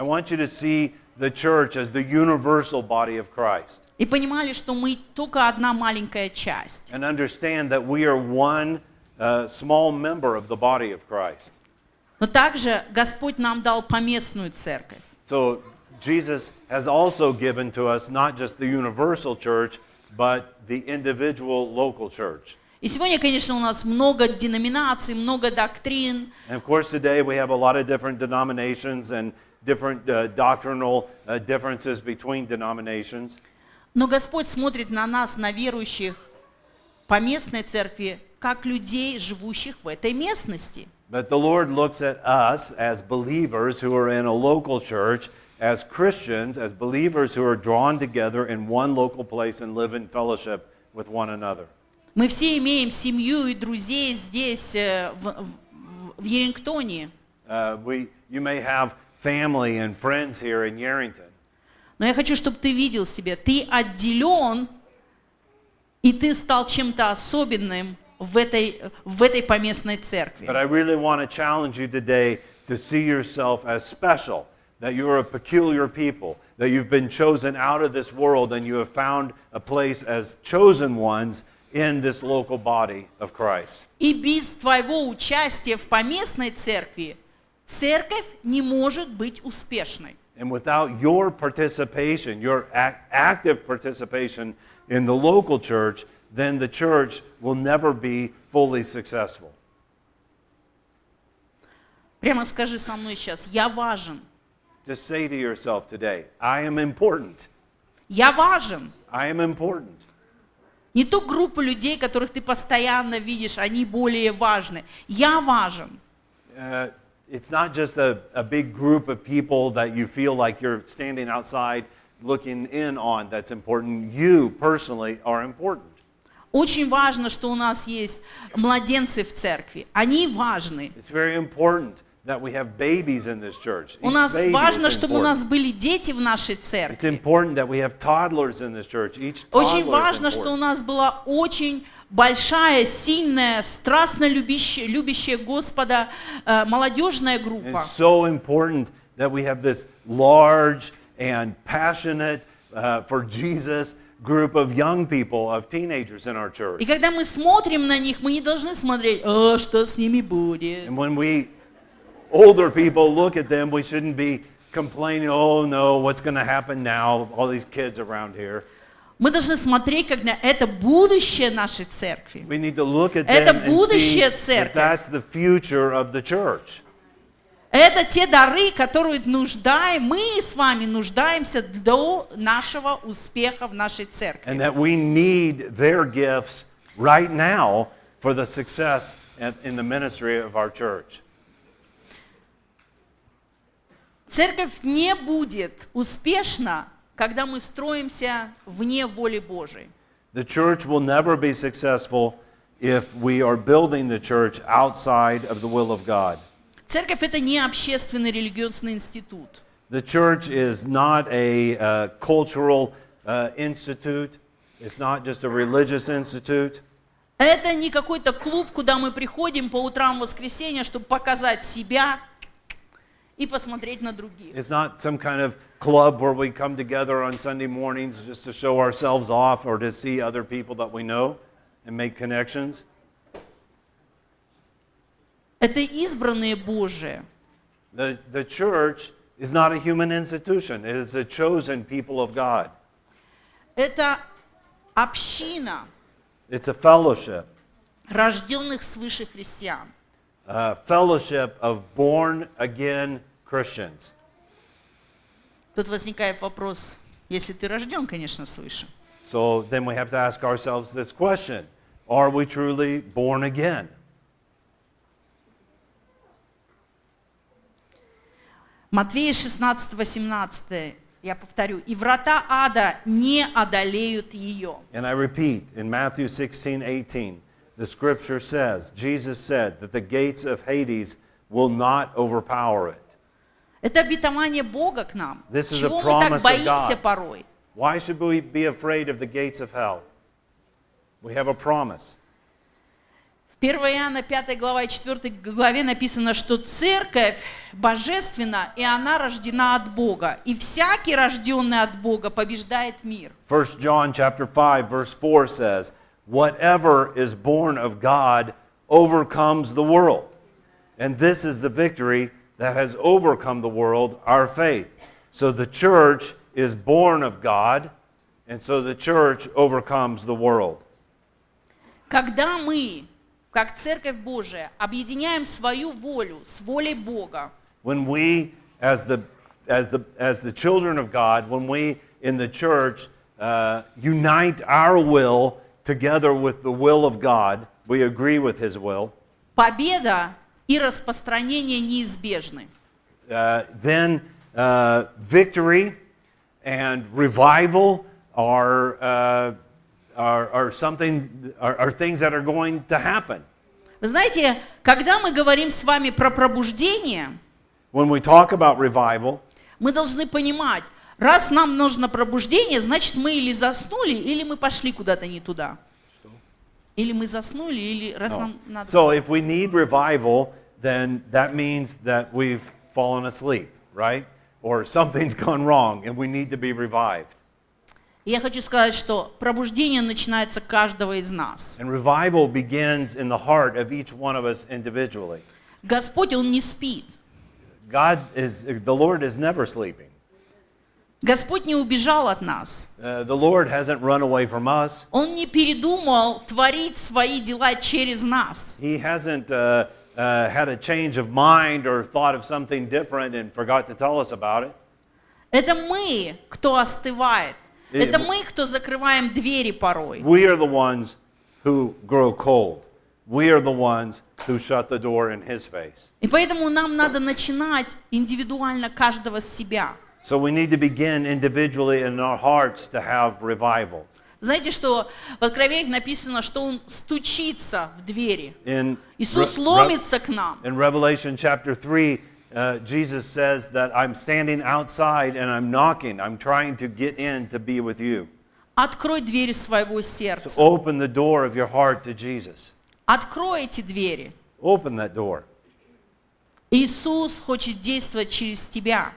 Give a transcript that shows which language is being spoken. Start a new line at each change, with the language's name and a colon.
English: I want you to see the church as the universal body of Christ.
Russian: И понимали, что мы только одна маленькая часть.
English: And understand that we are one small member of the body of Christ.
Russian: Но также Господь нам дал поместную церковь.
English: So Jesus has also given to us not just the universal church, but the individual local church.
Russian: И сегодня, конечно, у нас много деноминаций, много доктрин.
English: And of course, today we have a lot of different denominations and different doctrinal differences between denominations.
Russian: Но Господь смотрит на нас, на верующих по местной церкви, как людей, живущих в этой местности.
English: But the Lord looks at us as believers who are in a local church, as Christians, as believers who are drawn together in one local place and live in fellowship with one another.
Russian: Мы все имеем семью и друзей здесь, в Ярингтоне.
English: You may have family and friends here in Yarrington.
Russian: Но я хочу, чтобы ты видел себя. Ты отделен, и ты стал чем-то особенным в этой поместной церкви.
English: But I really want to challenge you today to see yourself as special, that you are a peculiar people, that you've been chosen out of this world, and you have found a place as chosen ones in this local body of Christ.
Russian: И без твоего участия в поместной церкви церковь не может быть успешной.
English: And without your participation, your active participation in the local church, then the church will never be fully successful.
Russian: Прямо скажи со мной сейчас: я важен.
English: Just say to yourself today, I am important.
Russian: Я важен.
English: I am important.
Russian: Не ту группу людей, которых ты постоянно видишь, они более важны. Я важен.
English: It's not just a big group of people that you feel like you're standing outside looking in on that's important. You personally are important.
Russian: Очень важно, что у нас есть младенцы в церкви. Они важны.
English: It's very important that we have babies in this church.
Russian: У нас важно, чтобы у нас были дети в нашей церкви.
English: It's important that we have toddlers in this church. Each toddler is important.
Russian: Очень важно, что у нас была очень большая, сильная, страстно любящая Господа молодежная группа.
English: It's so important that we have this large and passionate for Jesus group of young people, of teenagers in our church.
Russian: И когда мы смотрим на них, мы не должны смотреть, о, что с ними будет.
English: And when we older people look at them, we shouldn't be complaining, oh no, what's going to happen now, all these kids around here.
Russian: Мы должны смотреть, как на это будущее нашей церкви.
English: We need to look at
Russian: это
English: them and see
Russian: церковь.
English: That that's the future of the church.
Russian: Это те дары, которые мы с вами нуждаемся до нашего успеха в нашей церкви.
English: And that we need their gifts right now for the success in the ministry of our church.
Russian: Церковь не будет успешна, когда мы строимся вне воли Божией.
English: The church will never be successful if we are building the church outside of the will of God.
Russian: Церковь — это не общественный религиозный институт.
English: The church is not a cultural institute. It's not just a religious institute.
Russian: Это не какой-то клуб, куда мы приходим по утрам воскресенья, чтобы показать себя и посмотреть на других.
English: It's not some kind of club where we come together on Sunday mornings just to show ourselves off or to see other people that we know and make connections.
Russian: Это избранные Божие.
English: The church is not a human institution. It is a chosen people of God.
Russian: Это община.
English: It's a fellowship.
Russian: Рожденных свыше христиан.
English: A fellowship of born again Christians.
Russian: Тут возникает вопрос, если ты рожден, конечно, свыше.
English: So then we have to ask ourselves this question. Are we truly born again?
Russian: Матвея 16:18, я повторю, и врата ада не одолеют ее.
English: And I repeat, in Matthew 16:18, the scripture says, Jesus said that the gates of Hades will not overpower it.
Russian: Это обетование Бога к нам.
English: This is a promise of God.
Russian: Чего мы так боимся порой?
English: Why should we be afraid of the gates of hell? We have a promise.
Russian: 1 Иоанна 5 глава и 4 главе написано, что церковь божественна, и она рождена от Бога. И всякий, рожденный от Бога, побеждает мир.
English: 1 John chapter 5, verse 4 says, whatever is born of God overcomes the world. And this is the victory that has overcome the world, our faith. So the church is born of God, and so the church overcomes the world.
Russian: Когда мы... как Церковь Божия, объединяем свою волю с волей Бога.
English: When we, as the children of God, when we in the church unite our will together with the will of God, we agree with His will.
Russian: Победа и распространение неизбежны.
English: Then victory and revival are things that are going to happen.
Russian: Вы знаете, когда мы говорим с вами про пробуждение,
English: when we talk about revival,
Russian: мы должны понимать, раз нам нужно пробуждение, значит мы или заснули, или мы пошли куда-то не туда. Или мы заснули, или раз нам надо...
English: So if we need revival, then that means that we've fallen asleep, right? Or something's gone wrong, and we need to be revived.
Russian: Я хочу сказать, что пробуждение начинается каждого из нас.
English: And revival begins in the heart of each one of us individually.
Russian: Господь, Он не спит.
English: God is, the Lord is never sleeping.
Russian: Господь не убежал от нас.
English: The Lord hasn't run away from us.
Russian: Он не передумал творить свои дела через нас.
English: He hasn't had a change of mind or thought of something different and forgot to tell us about it.
Russian: Это мы, кто остывает. Это мы, кто закрываем двери порой.
English: We are the ones who grow cold. We are the ones who shut the door in His face.
Russian: И поэтому нам надо начинать индивидуально каждого с себя.
English: So we need to begin individually in our hearts to have revival.
Russian: Знаете, что в Откровениях написано, что Он стучится в двери. Иисус ломится к нам.
English: In Revelation chapter 3, Jesus says that I'm standing outside and I'm knocking. I'm trying to get in to be with you.
Russian: Открой двери своего сердца.
English: So open the door of your heart to Jesus.
Russian: Открой эти двери.
English: Open that door.
Russian: Иисус хочет действовать через тебя.